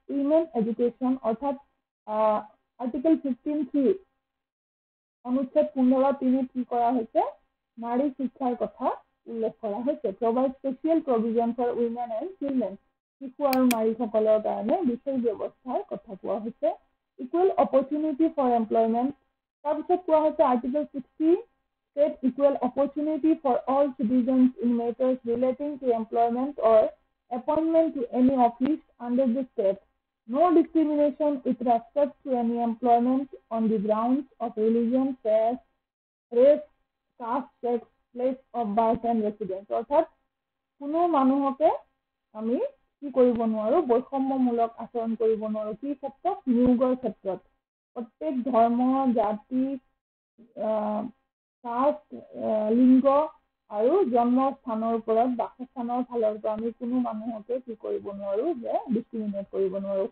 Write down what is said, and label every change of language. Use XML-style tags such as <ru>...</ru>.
<as>Women education অৰ্থাৎ article 15(c) অনুচ্ছেদ 15(3) কি কৰা হৈছে, নাৰী শিক্ষাৰ কথা উল্লেখ কৰা হৈছে।</as> <en>provide special provision for women and children,</en> <as>শিশু আৰু নাৰীসকলৰ কাৰণে বিশেষ ব্যৱস্থাৰ কথা কোৱা হৈছে।</as> <en>equal opportunity for employment,</en> <as>তাৰপিছত কোৱা হৈছে</as> <en>Article 16 State equal opportunity for all citizens in matters relating to employment or appointment to any office under the state. No discrimination with respect to any employment on the grounds of religion, sex, race, caste, sex, place of birth and residence.</en> <as>অৰ্থাৎ কোনো মানুহকে আমি কি কৰিব নোৱাৰোঁ, বৈষম্যমূলক আচৰণ কৰিব নোৱাৰোঁ, কি ক্ষেত্ৰত, নিয়োগৰ ক্ষেত্ৰত। প্ৰত্যেক ধৰ্ম, জাতি, কাষ্ট, লিংগ আৰু জন্মস্থানৰ ওপৰত, বাসস্থানৰ ফালৰ পৰা আমি কোনো মানুহকে কি কৰিব নোৱাৰোঁ, যে ডিস্ক্ৰিমিনেট কৰিব নোৱাৰোঁ।</as>